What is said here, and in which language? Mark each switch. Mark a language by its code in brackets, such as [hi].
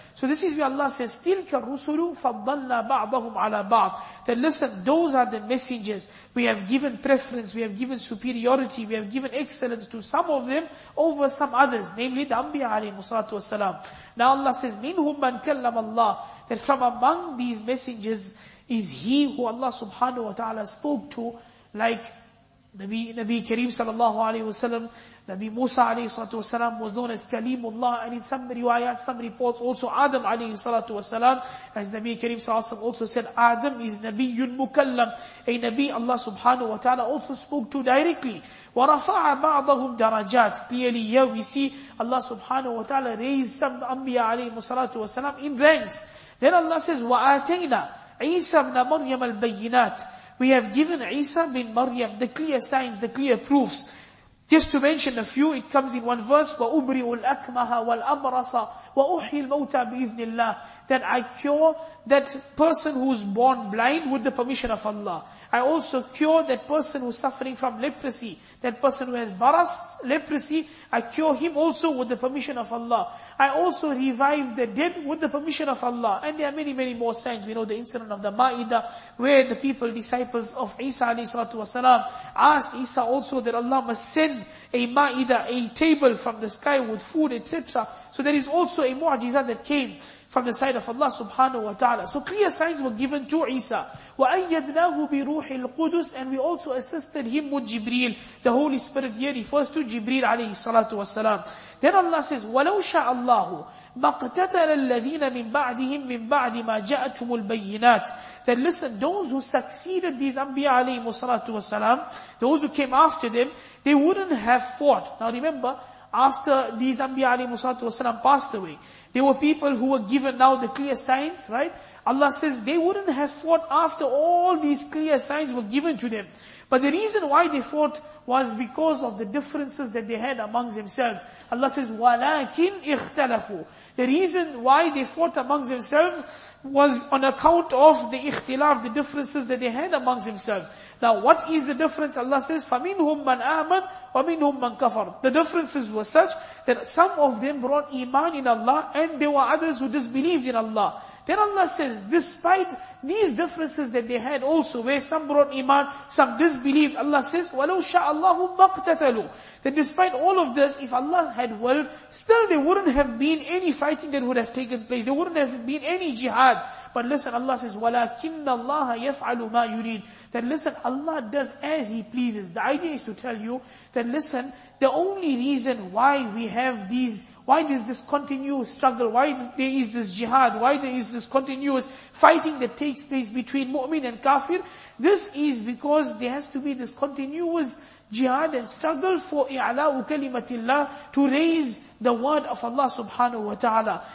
[en] So this is where Allah says, [ar] تِلْكَ الرُّسُلُ فَضَّلْنَا بَعْضَهُمْ عَلَى بَعْضٍ. [en] That listen, those are the messengers. We have given preference, we have given superiority, we have given excellence to some of them over some others, namely the Anbiya alayhi salatu wasalam. Now Allah says, [ar] مِنْهُمْ مَنْ كَلَّمَ اللَّهِ. [en] That from among these messengers is he who Allah subhanahu wa ta'ala spoke to, like Nabi Kareem sallallahu alayhi wa sallam, Nabi Musa alayhi salatu wa sallam was known as Kalimullah, and in some riwayat, some reports also Adam alayhi salatu wa sallam, as Nabi Kareem sallallahu alayhi wa sallam also said, Adam is Nabiyun Mukallam, a Nabi Allah subhanahu wa ta'ala also spoke to directly. [ar] وَرَفَعَ بَعْضَهُمْ دَرَجَاتٍ. [en] Clearly here we see Allah subhanahu wa ta'ala raised some Anbiya alayhi salatu wa sallam in ranks. Then Allah says, [ar] وَآتَيْنَا عِيسَى بْنَ مَرْيَمَ الْبَيِّنَاتِ. [en] We have given Isa bin Maryam the clear signs, the clear proofs. Just to mention a few, it comes in one verse, [ar] وَأُبْرِئُ الْأَكْمَهَ وَالْأَبْرَصَ وَأُحْيِي الْمَوْتَى بِإِذْنِ اللَّهِ. [en] That I cure that person who is born blind with the permission of Allah. I also cure that person who is suffering from leprosy. That person who has baras, leprosy, I cure him also with the permission of Allah. I also revive the dead with the permission of Allah. And there are many, many more signs. We know the incident of the Ma'idah, where the people, disciples of Isa alayhi salatu wasalam, asked Isa also that Allah must send a Ma'idah, a table from the sky with food, etc. So there is also a mu'ajizah that came from the side of Allah subhanahu wa ta'ala. So clear signs were given to Isa. [ar] وَأَيَّدْنَاهُ بِرُوحِ الْقُدُسِ. [en] And we also assisted him with Jibreel. The Holy Spirit here refers to Jibreel alayhi salatu wasalam. Then Allah says, [ar] وَلَوْ شَاءَ اللَّهُ مَقْتَتَلَ الَّذِينَ مِنْ بَعْدِهِمْ مِنْ بَعْدِ مَا جَاءَتْهُمُ الْبَيِّنَاتِ. [en] Then listen, those who succeeded these Anbiya alayhi salatu wasalam, those who came after them, they wouldn't have fought. Now remember, after these Anbiya alayhi salatu wasalam passed away, there were people who were given now the clear signs, right? Allah says they wouldn't have fought after all these clear signs were given to them. But the reason why they fought was because of the differences that they had among themselves. Allah says, [ar] وَلَكِنْ اِخْتَلَفُوا. [en] The reason why they fought among themselves was on account of the ikhtilaf, the differences that they had among themselves. Now, what is the difference? Allah says, [ar] فَمِنْهُمْ مَنْ آمَنْ وَمِنْهُمْ مَنْ كَفَرْ. [en] The differences were such that some of them brought iman in Allah and there were others who disbelieved in Allah. Then Allah says, despite these differences that they had also, where some brought iman, some disbelieved, Allah says, [ar] وَلَوْ شَاءَ اللَّهُ مَقْتَتَلُوا. [en] That despite all of this, if Allah had willed, still there wouldn't have been any fighting that would have taken place. There wouldn't have been any jihad. But listen, Allah says, [ar] وَلَكِنَّ اللَّهَ يَفْعَلُ مَا يُرِيدُ. [en] That listen, Allah does as He pleases. The idea is to tell you that listen, the only reason why we have these, why there is this continuous struggle, why there is this jihad, why there is this continuous fighting that takes place between mu'min and kafir, this is because there has to be this continuous jihad and struggle for i'la'u kalimatillah, to raise the word of Allah subhanahu wa ta'ala.